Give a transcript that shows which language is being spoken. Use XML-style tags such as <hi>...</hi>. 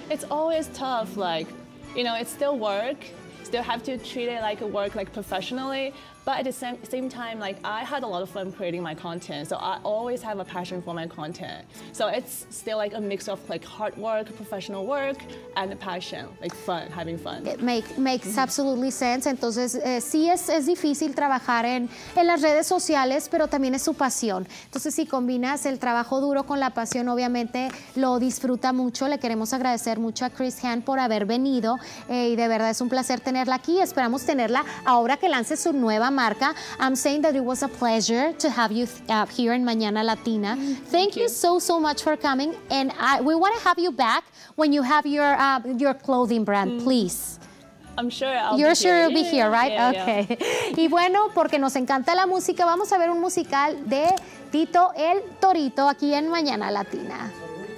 <en>It's always tough, like, you know, it's still work, still have to treat it like a work, like professionally. But at the same time, like I had a lot of fun creating my content, so I always have a passion for my content. So it's still like a mix of like hard work, professional work, and passion, like fun, having fun. It makes absolutely sense.</en> <es>Entonces, sí es difícil trabajar en las redes sociales, pero también es su pasión. Entonces, si combinas el trabajo duro con la pasión, obviamente lo disfruta mucho. Le queremos agradecer mucho a Chris Han por haber venido y de verdad es un placer tenerla aquí. Esperamos tenerla ahora que lance su nueva marca.</es> <en>I'm saying that it was a pleasure to have you here in Mañana Latina. Thank you so much for coming, and we want to have you back when you have your clothing brand, please. You're sure you'll be here, right? Yeah, okay. Yeah.</en> <es>Y bueno, porque nos encanta la música, vamos a ver un musical de Tito el Torito aquí en Mañana Latina.</es>